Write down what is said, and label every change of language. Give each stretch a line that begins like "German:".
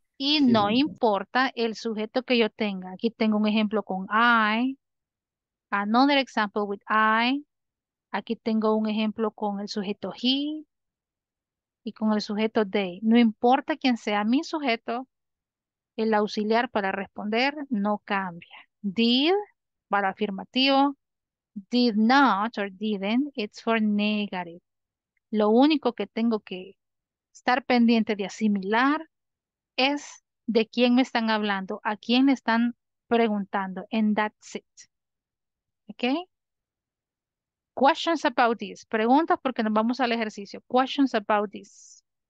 Spanish: Y no importa el sujeto que yo tenga. Aquí tengo un ejemplo con I.
English: Another example with I.
Spanish: Aquí tengo un ejemplo con el sujeto he y con el sujeto they. No importa quién sea mi sujeto, el auxiliar para responder no cambia.
English: Did
Spanish: para afirmativo,
English: did not or didn't, it's for negative.
Spanish: Lo único que tengo que estar pendiente de asimilar es de quién me están hablando, a quién están preguntando,
English: and that's it. Okay? Questions about this.
Spanish: Preguntas porque nos vamos al ejercicio.
English: Questions about this.